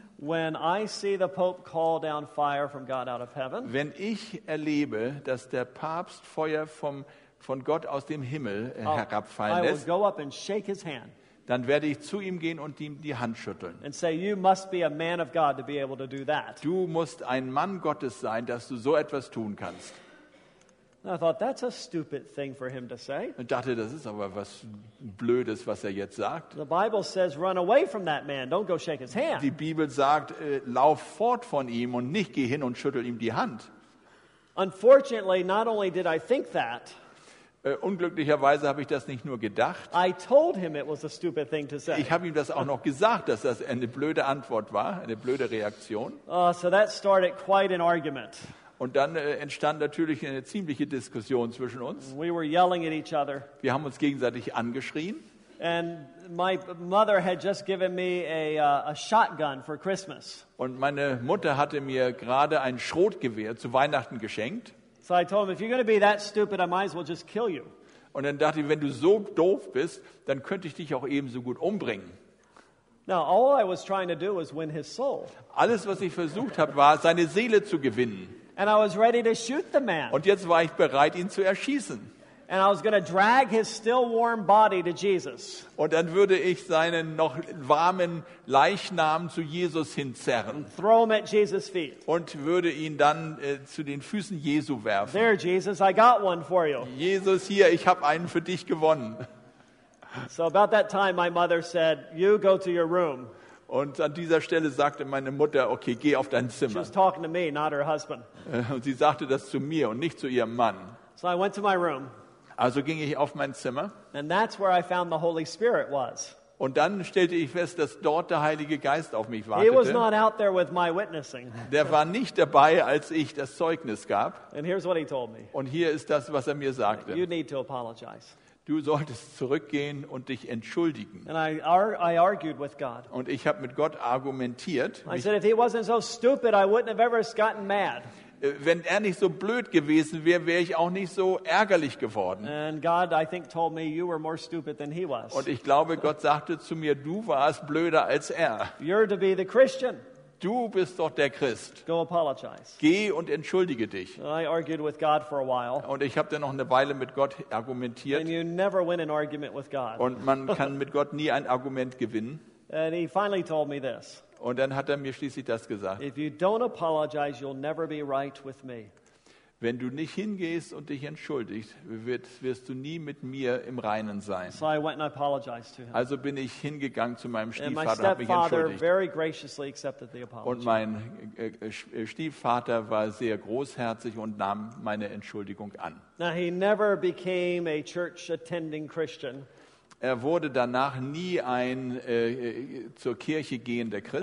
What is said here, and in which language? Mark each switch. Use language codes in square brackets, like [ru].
[en] when I see the Pope call down fire from God out of heaven, [de] wenn ich erlebe, dass der Papst Feuer vom von Gott aus dem Himmel herabfallen lässt, [en] I will go up and shake his hand. [de] Dann werde ich zu ihm gehen und ihm die Hand schütteln. [en] And say, you must be a man of God to be able to do that. [de] Du musst ein Mann Gottes sein, dass du so etwas tun kannst. [en] And I thought, that's a stupid thing for him to say. [de] Und dachte, das ist aber was Blödes, was er jetzt sagt. [en] The Bible says, run away from that man. Don't go shake his hand. [de] Die Bibel sagt, lauf fort von ihm und nicht geh hin und schüttel ihm die Hand. [en] Unfortunately, not only did I think that. [de] Unglücklicherweise habe ich das nicht nur gedacht. [en] I told him it was a stupid thing to say. [de] Ich habe ihm das auch noch gesagt, dass das eine blöde Antwort war, eine blöde Reaktion. [en] So that started quite an argument. [de] Und dann entstand natürlich eine ziemliche Diskussion zwischen uns. [en] We were yelling at each other. [de] Wir haben uns gegenseitig angeschrien. [en] And my mother had just given me a shotgun for Christmas. [de] Und meine Mutter hatte mir gerade ein Schrotgewehr zu Weihnachten geschenkt. [en] So I told him, if you're going to be that stupid, I might as well just kill you. [de] Und dann dachte ich, wenn du so doof bist, dann könnte ich dich auch ebenso gut umbringen. [en] Now all I was trying to do was win his soul. [de] Alles, was ich versucht habe, war seine Seele zu gewinnen. [en] And I was ready to shoot the man. [de] Und jetzt war ich bereit, ihn zu erschießen. [en] And I was going to drag his still warm body to Jesus. [de] Und dann würde ich seinen noch warmen Leichnam zu Jesus hinzerren. [en] And throw him at Jesus' feet. [de] Und würde ihn dann zu den Füßen Jesu werfen. [en] There, Jesus, I got one for you. [de] Jesus, hier, ich habe einen für dich gewonnen. [en] So about that time, my mother said, "You go to your room." [de] Und an dieser Stelle sagte meine Mutter, okay, geh auf dein Zimmer. [en] She was talking to me, not her husband. [de] Und sie sagte das zu mir und nicht zu ihrem Mann. [en] So I went to my room. [de] Also ging ich auf mein Zimmer. [en] And that's where I found the Holy Spirit was. [de] Und dann stellte ich fest, dass dort der Heilige Geist auf mich wartete. [en] He was not out there with my witnessing. [de] Der war nicht dabei, als ich das Zeugnis gab. [en] And here's what he told me. [de] Und hier ist das, was er mir sagte. [en] You need to apologize. [de] Du solltest zurückgehen und dich entschuldigen. [en] And I argued with God. [de] Und ich habe mit Gott argumentiert. [en] I said, if he wasn't so stupid, I wouldn't have ever gotten mad. [de] Wenn er nicht so blöd gewesen wäre, wäre ich auch nicht so ärgerlich geworden. [en] And God, I think, told me you were more stupid than he was. [de] Und ich glaube, Gott sagte zu mir, du warst blöder als er. [en] You're to be the Christian. [de] Du bist doch der Christ. [en] Go apologize. [de] Geh und entschuldige dich. [en] I argued with God for a while. [de] Und ich habe dann noch eine Weile mit Gott argumentiert. [en] And you never win an argument with God. [de] Und man kann mit Gott nie ein Argument gewinnen. [en] And he finally told me this. [de] Und dann hat er mir schließlich das gesagt. [en] If you don't apologize, you'll never be right with me. [de] Wenn du nicht hingehst und dich entschuldigst, wirst du nie mit mir im Reinen sein. [en] So I went and apologized to him. [de] Also bin ich hingegangen zu meinem Stiefvater und mein Stepfather, mich entschuldigt. [en] Very graciously accepted the apology. [de] Und mein Stiefvater war sehr großherzig und nahm meine Entschuldigung an. [en] Now he never became a church-attending Christian. [de] Er wurde danach nie ein zur Kirche gehender Christ.